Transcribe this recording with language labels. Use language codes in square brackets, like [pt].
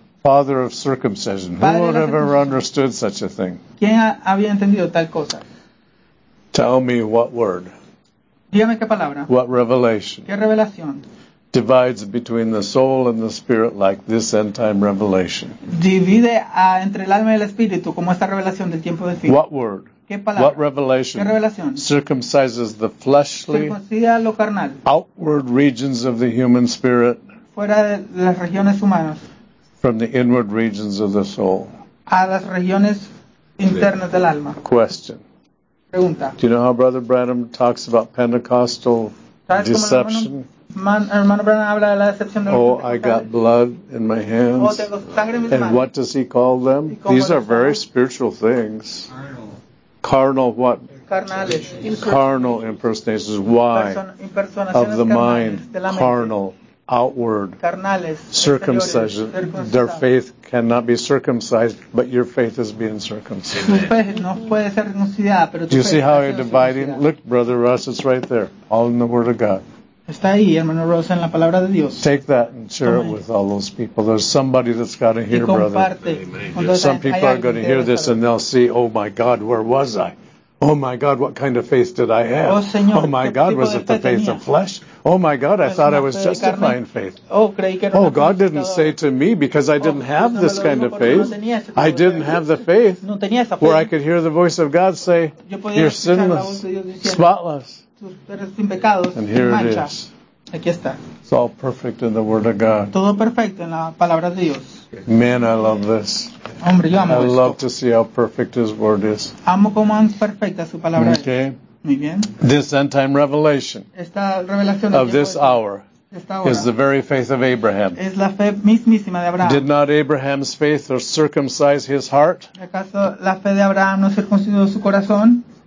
[en] Father of circumcision. Who would have ever understood such a thing? [es] ¿Quién había entendido tal cosa? [en] Tell me what word. [es] Dígame qué palabra. [en] What revelation. [es] ¿Qué revelación? [en] Divides between the soul and the spirit like this end time revelation. [es] Divide entre el alma y el espíritu como esta revelación del tiempo del fin. [en] What word? [es] ¿Qué palabra? [en] What revelation? [es] ¿Qué revelación? [en] Circumcises the fleshly. [es] Circuncida lo carnal. [en] Outward regions of the human spirit. [es] Fuera de las regiones humanas. [en] From the inward regions of the soul. [es] A las regiones internas del alma. [en] Question. [es] Pregunta. [en] Do you know how Brother Branham talks about Pentecostal deception? Oh, I got blood in my hands. And what does he call them? These are very spiritual things. Carnal what? Carnal impersonations. Why? Of the mind. Carnal. Outward. Circumcision. Their faith cannot be circumcised, but your faith is being circumcised. Do you see how you're dividing? Look, Brother Russ, it's right there. All in the Word of God. [es] Está ahí, hermano Rosa, en la palabra de Dios. [en] Take that and share it with all those people. There's somebody that's got to hear, brother. Some people are going to hear this and they'll see, oh my God, where was I? Oh my God, what kind of faith did I have? Oh my God, was it the faith of flesh? Oh my God, I thought I was justifying faith. Oh, God didn't say to me because I didn't have this kind of faith. I didn't have the faith where I could hear the voice of God say, you're sinless, spotless. And here it is. It's all perfect in the Word of God. [es] Todo perfecto en la palabra de Dios. [en] Man, I love this. [es] Hombre, yo amo [en] I [es] esto. [en] Love to see how perfect His Word is. [es] Amo cómo es perfecta su palabra. [en] Okay. [es] Muy bien. [en] This end-time revelation [es] esta revelación [en] of this hour [es] esta hora [en] is the very faith of Abraham. [es] Es la fe mismísima de Abraham. [en] Did not Abraham's faith or circumcise his heart? [es] ¿Acaso la fe de Abraham no circuncidó su corazón?